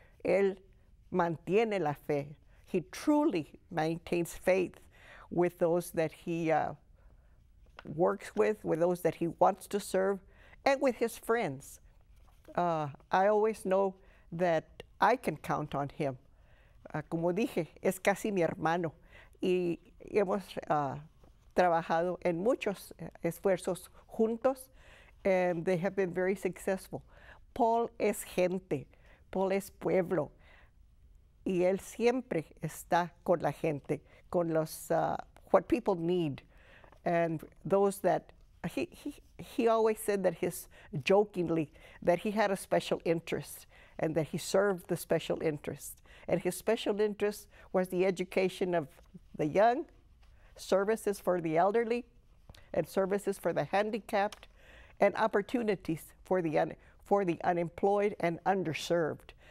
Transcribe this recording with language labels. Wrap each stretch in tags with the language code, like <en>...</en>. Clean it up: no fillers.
<es>Él mantiene la fe.</es> <en>He truly maintains faith with those that he works with those that he wants to serve, and with his friends. I always know that I can count on him.</en> <es>Como dije, es casi mi hermano. Y hemos trabajado en muchos esfuerzos juntos,</es> <en>and they have been very successful.</en> <es>Paul es gente. Paul es pueblo. Y él siempre está con la gente, con los</es> <en>what people need. And those that, he always said that his, jokingly, that he had a special interest and that he served the special interest. And his special interest was the education of the young, services for the elderly, and services for the handicapped, and opportunities for the unemployed and underserved.</en>